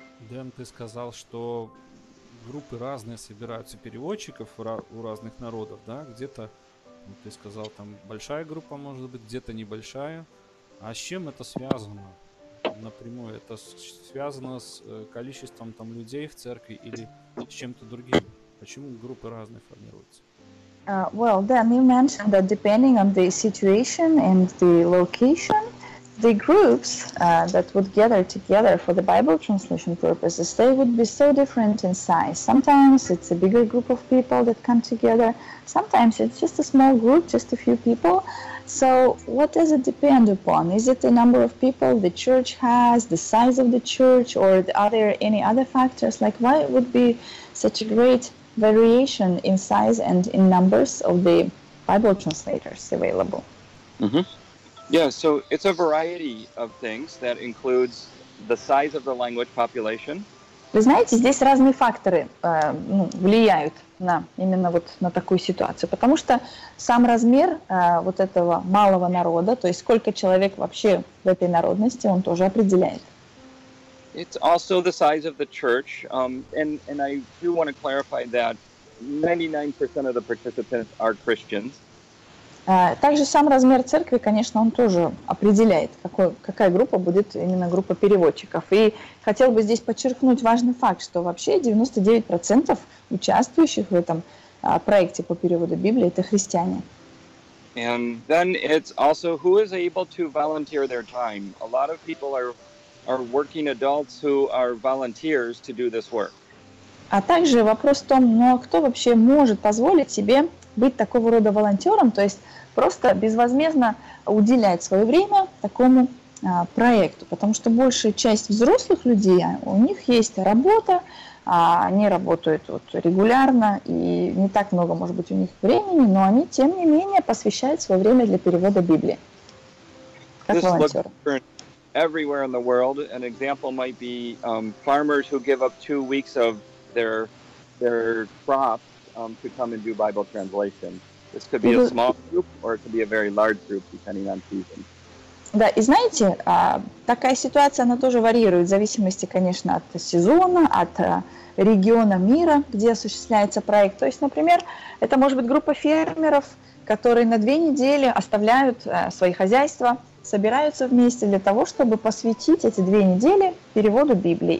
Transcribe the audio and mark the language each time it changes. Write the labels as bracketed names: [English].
[Russian] Дэн, ты сказал, что группы разные собираются переводчиков у разных народов, да? Где-то, ты сказал, там большая группа может быть, где-то небольшая. А с чем это связано напрямую? Это связано с количеством там людей в церкви или с чем-то другим? Почему группы разные формируются? [English] Well, Dan, you mentioned that depending on the situation and the location, the groups that would gather together for the Bible translation purposes, they would be so different in size. Sometimes it's a bigger group of people that come together. Sometimes it's just a small group, just a few people. So what does it depend upon? Is it the number of people the church has, the size of the church, or are there any other factors? Like, why would be such a great variation in size and in numbers of the Bible translators available? Mm-hmm. Yeah, so it's a variety of things that includes the size of the language population. [Russian] Вы знаете, здесь разные факторы влияют на именно вот на такую ситуацию, потому что сам размер вот этого малого народа, то есть сколько человек вообще в этой народности, он тоже определяет. [English] It's also the size of the church, and I do want to clarify that 99% of the participants are Christians. [Russian] Также сам размер церкви, конечно, он тоже определяет, какая группа будет именно группа переводчиков. И хотел бы здесь подчеркнуть важный факт, что вообще 99% участвующих в этом проекте по переводу Библии – это христиане. [English] And then it's also who is able to volunteer their time. A lot of people are working adults who are volunteers to do this work. [Russian] А также вопрос в том, кто вообще может позволить себе быть такого рода волонтером, то есть просто безвозмездно уделять свое время такому проекту, потому что большая часть взрослых людей, у них есть работа, они работают вот регулярно, и не так много, может быть, у них времени, но они, тем не менее, посвящают свое время для перевода Библии, как [English] This [Russian] волонтеры. [English] Looks different everywhere in the world. An example might be farmers who give up 2 weeks of their crop to come and do Bible translation. This could be a small group, or it could be a very large group, depending on season. [Russian] Да, и знаете, такая ситуация, она тоже варьирует в зависимости, конечно, от сезона, от региона мира, где осуществляется проект. То есть, например, это может быть группа фермеров, которые на 2 недели оставляют свои хозяйства, собираются вместе для того, чтобы посвятить эти 2 недели переводу Библии.